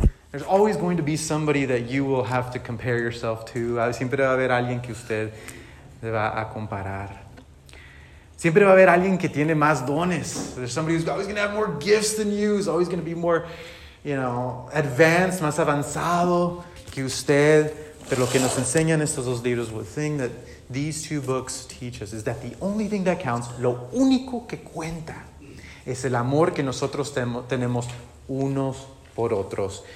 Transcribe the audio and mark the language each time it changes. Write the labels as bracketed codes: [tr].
[en] There's always going to be somebody that you will have to compare yourself to. [es] Siempre va a haber alguien que usted le va a comparar. Siempre va a haber alguien que tiene más dones. [en] There's somebody who's always going to have more gifts than you. He's always going to be more, you know, advanced, [es] más avanzado que usted. Pero lo que nos enseñan estos dos libros, [en] the thing that these two books teach us is that the only thing that counts, [es] lo único que cuenta, es el amor que nosotros tenemos unos por otros.